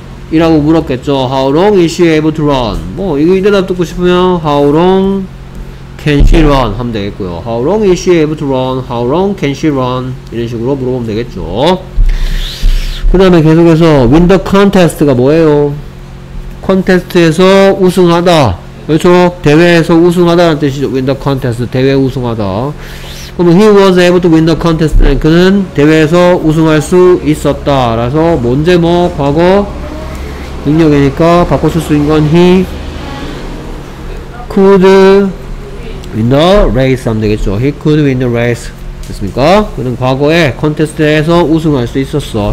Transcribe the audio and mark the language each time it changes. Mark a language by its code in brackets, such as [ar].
[ko] 이라고 물었겠죠. [en] How long is she able to run? [ko] 뭐 이 대답 듣고 싶으면 [en] How long can she run? 하면 되겠고요. How long is she able to run? How long can she run? [ko] 이런 식으로 물어보면 되겠죠. 그 다음에 계속해서 Win the contest가 뭐예요? 콘테스트에서 우승하다. 그렇죠? 대회에서 우승하다라는 뜻이죠. [en] Win the contest. [ko] 대회 우승하다. 그러면 [en] He was able to win the contest. [ko] 그는 대회에서 우승할 수 있었다. 라서 뭔지 뭐 과거 능력이니까 바꿔 쓸 수 있는 건 [en] He could win the race [ko] 하면 되겠죠. [en] He could win the race. 됐습니까? [ko] 그는 과거에 콘테스트에서 우승할 수 있었어.